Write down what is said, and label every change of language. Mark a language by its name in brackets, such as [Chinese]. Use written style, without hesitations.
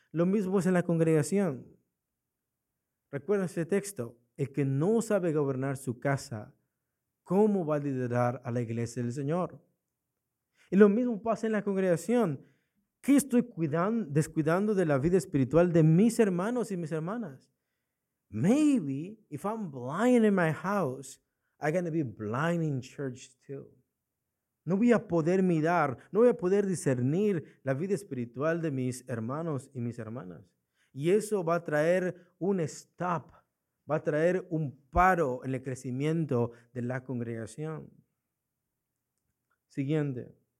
[Spanish] Lo mismo es en la congregación. Recuerden este texto. El que no sabe gobernar su casa, ¿cómo va a liderar a la iglesia del Señor? Y lo mismo pasa en la congregación. ¿Qué estoy descuidando de la vida espiritual de mis hermanos y mis hermanas? [English] Maybe if I'm blind in my house, I'm going to be blind in church too. [Spanish] No voy a poder mirar, no voy a poder discernir la vida espiritual de mis hermanos y mis hermanas. Y eso va a traer un stop, va a traer un paro en el crecimiento de la congregación. Siguiente.